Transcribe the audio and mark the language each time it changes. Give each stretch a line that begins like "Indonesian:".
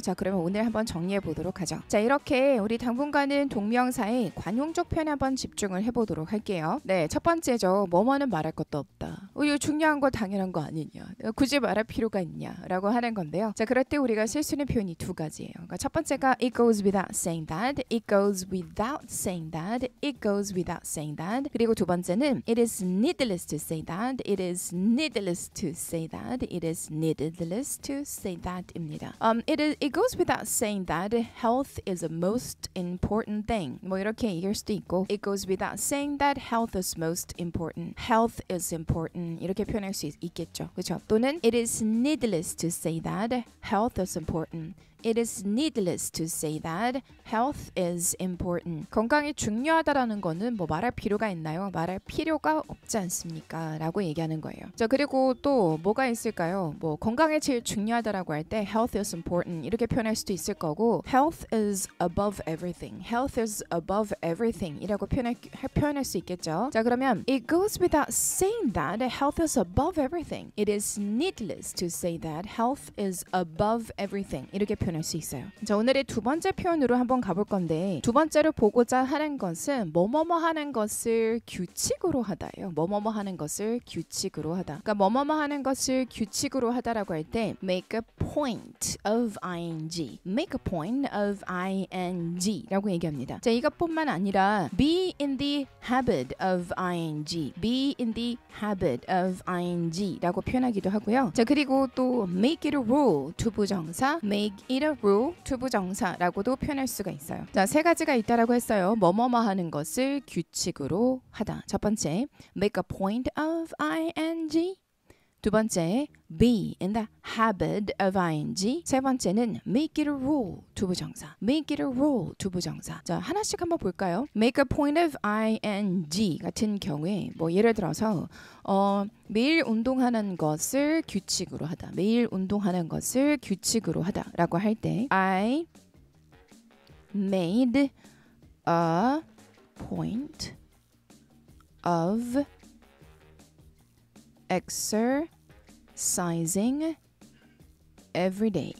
Korean: 자, 그러면 오늘 한번 정리해 보도록 하죠. 자, 이렇게 우리 당분간은 동명사의 관용적 표현에 한번 집중을 해보도록 할게요. 네, 첫 번째죠. 뭐뭐는 말할 것도 없다. 이거 중요한 거 당연한 거 아니냐. 굳이 말할 필요가 있냐 라고 하는 건데요. 자, 그럴 때 우리가 쓸 수 있는 표현이 두 가지예요. 그러니까 첫 번째가
English: It goes without saying that. It goes without saying that. It goes without saying that.
Korean: 그리고 두 번째는
English: It is needless to say that. It is needless to say that. It is needless to say that
Korean: 입니다.
English: It goes without saying that health is the most important thing.
Korean: 뭐 이렇게 얘기할 수도 있고
English: It goes without saying that health is most important. Health is important.
Korean: 이렇게 표현할 수 있겠죠. 그렇죠?
English: 또는 It is needless to say that health is important. It is needless to say that health is important.
Korean: 건강이 중요하다라는 거는 뭐 말할 필요가 있나요? 말할 필요가 없지 않습니까? 라고 얘기하는 거예요. 자, 그리고 또 뭐가 있을까요? 뭐 건강이 제일 중요하다라고 할 때
English: health is important
Korean: 이렇게 표현할 수도 있을 거고
English: health is above everything. health is above everything
Korean: 이라고 표현할 수 있겠죠.
English: 자, 그러면 it goes without saying that health is above everything. It is needless to say that health is above everything.
Korean: 이렇게 표현할 수 있어요. 자, 오늘의 두 번째 표현으로 한번 가볼 건데 두 번째로 보고자 하는 것은 뭐뭐뭐 하는 것을 규칙으로 하다예요. 뭐뭐뭐 하는 것을 규칙으로 하다. 그러니까 뭐뭐뭐 하는 것을 규칙으로 하다라고 할 때
English: make a point of ing. make a point of ing
Korean: 라고 얘기합니다. 자, 이것뿐만 아니라
English: be in the habit of ing. be in the habit of ing
Korean: 라고 표현하기도 하고요. 자, 그리고 또
English: make it a rule 투부정사 make Make it a rule,
Korean: 투부정사라고도 표현할 수가 있어요. 자, 세 가지가 있다라고 했어요. 뭐뭐뭐 하는 것을 규칙으로 하다. 첫 번째,
English: make a point of ing.
Korean: 두 번째,
English: be in the habit of ing.
Korean: 세 번째는
English: make it a rule, 투부정사. make it a rule, 투부정사.
Korean: 자, 하나씩 한번 볼까요?
English: make a point of ing
Korean: 같은 경우에 뭐 예를 들어서 매일 운동하는 것을 규칙으로 하다. 매일 운동하는 것을 규칙으로 하다 라고 할 때
English: I made a point of exercising every day.